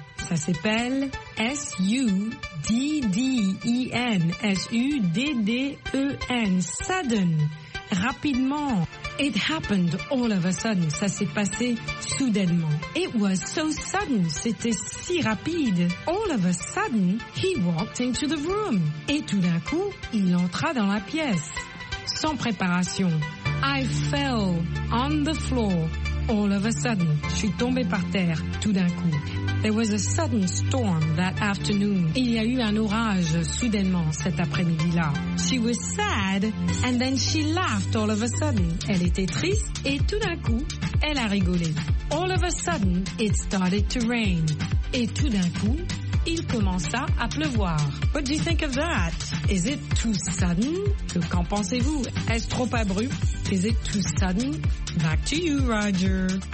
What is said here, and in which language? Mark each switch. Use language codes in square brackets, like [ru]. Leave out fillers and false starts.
[fr] Ça s'appelle S-U-D-D-E-N, S-U-D-D-E-N, sudden, rapidement. [en] It happened all of a sudden, [fr] ça s'est passé soudainement. [en] It was so sudden, [fr] c'était si rapide. [en] All of a sudden, he walked into the room. [fr] Et tout d'un coup, il entra dans la pièce. Sans préparation. [en] I fell on the floor all of a sudden. [fr] Je suis tombé par terre tout d'un coup. [en] There was a sudden storm that afternoon. [fr] Il y a eu un orage soudainement cet après-midi-là. [en] She was sad and then she laughed all of a sudden. [fr] Elle était triste et tout d'un coup, elle a rigolé. [en] All of a sudden, it started to rain. [fr] Et tout d'un coup, il commença à pleuvoir. [en] What do you think of that? Is it too sudden? [fr] Qu'en pensez-vous? Est-ce trop abrupt? [en] Is it too sudden? Back to you, Roger.